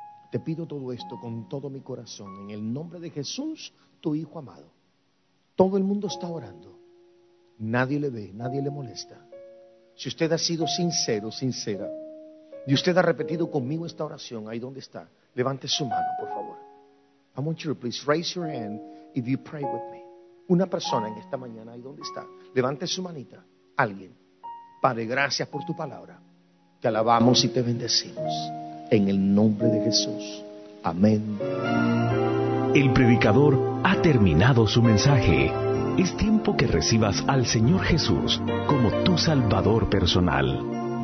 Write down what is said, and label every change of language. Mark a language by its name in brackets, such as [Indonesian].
[Spanish] Te pido todo esto con todo mi corazón, en el nombre de Jesús, tu Hijo amado. Todo el mundo está orando. Nadie le ve, nadie le molesta. Si usted ha sido sincero, sincera, y usted ha repetido conmigo esta oración, ahí donde está, levante su mano, por favor. [English] I want you to please raise your hand if you pray with me. [Spanish] Una persona en esta mañana, ahí donde está, levante su manita, alguien. Padre, gracias por tu palabra. Te alabamos y te bendecimos. En el nombre de Jesús. Amén. El predicador ha terminado su mensaje. Es tiempo que recibas al Señor Jesús como tu Salvador personal.